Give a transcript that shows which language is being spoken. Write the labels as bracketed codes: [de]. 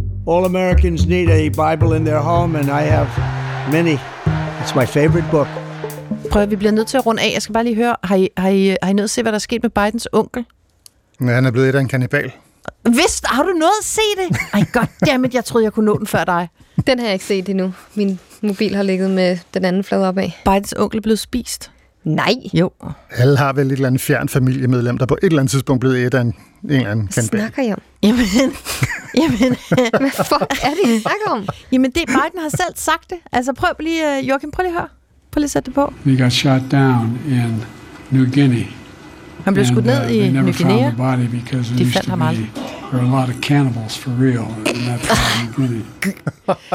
[en] All Americans need a Bible in their home, and I have many. It's my favorite book. [da] Prøv, vi bliver nødt til at runde af. Jeg skal bare lige høre, har I nødt til at se, hvad der er sket med Bidens onkel? Ja, han er blevet et af en kannibal. Vist, har du nået at se det? Ej, goddammit, jeg troede, jeg kunne nå den før dig. Den har jeg ikke set endnu. Min mobil har ligget med den anden flade opad. Bidens onkel er blevet spist. Nej. Jo. Alle har vel et eller andet fjern familiemedlem, der på et eller andet tidspunkt blev et af en eller anden kandidat. Snakker jeg om? Jamen, hvad fuck er det, I snakker om? Jamen, det Biden har selv sagt det. Altså, prøv lige, Joachim, prøv lige at høre. Prøv lige at sætte det på. [en] We got shot down in New Guinea. [da] Han blev skudt ned i New Guinea. De fandt ham aldrig. [en] There are a lot of cannibals for real.